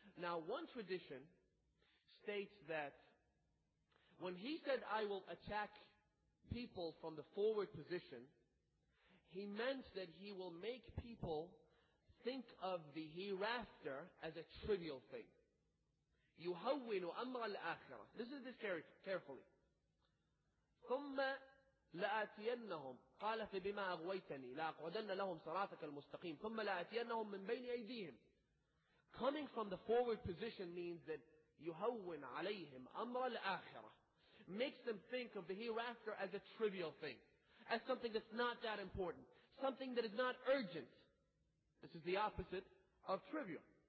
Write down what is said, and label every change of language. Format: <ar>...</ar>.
<en>Now, one tradition states that when he said, I will attack people from the forward position, he meant that he will make people think of the hereafter as a trivial thing.</en> <ar>يُهَوِّنُ أَمْرَ الْآخِرَةِ.</ar> <en>This is this carefully.</en> <ar>ثُمَّ لآتينهم، قال فبما أغويتني لأقعدن لهم صراطك المستقيم ثم لآتينهم من بين أيديهم.</ar> <en>Coming from the forward position means that</en> <ar>يهون عليهم أمر الآخرة.</ar> <en>Makes them think of the hereafter as a trivial thing. As something that's not that important. Something that is not urgent. This is the opposite of trivial.</en>